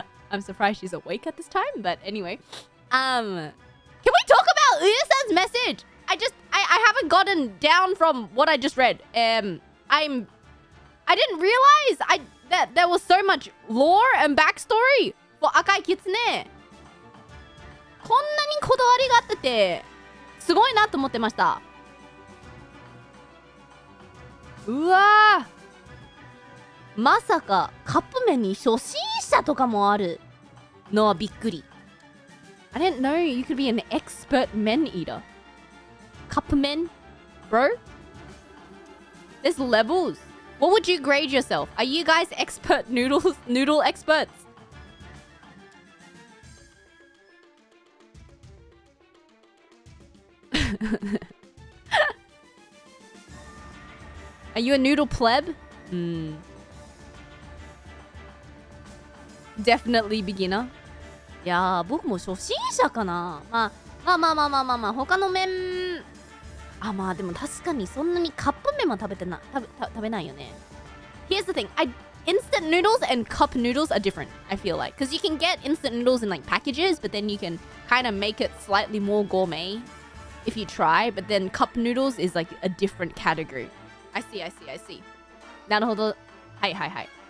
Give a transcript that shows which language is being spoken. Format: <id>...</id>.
<en>I'm surprised she's awake at this time, but anyway. Can we talk about Uya-san's message? I haven't gotten down from what I just read. I didn't realize that there was so much lore and backstory. For Akai Kitsune!</en> <ja>こんなにこだわりがあってて、すごいなと思ってました! うわぁ!まさかカップ麺に初心者とかもあるのはびっくり!</ja> <en>I didn't know you could be an expert men eater. Cup men? Bro? There's levels. What would you grade yourself? Are you guys expert noodles? Noodle experts? Are you a noodle pleb? Definitely beginner.</en> <ja>いや、僕も初心者かな。まあ、他の麺。あ、まあでも確かにそんなにカップ麺は食べてない、食べないよね。</ja> <en>Here's the thing. Instant noodles and cup noodles are different, I feel like. Because you can get instant noodles in like packages, but then you can kind of make it slightly more gourmet. If you try, but then cup noodles is like a different category. I see.</en> <ja>なるほど.はいはいはい.</ja>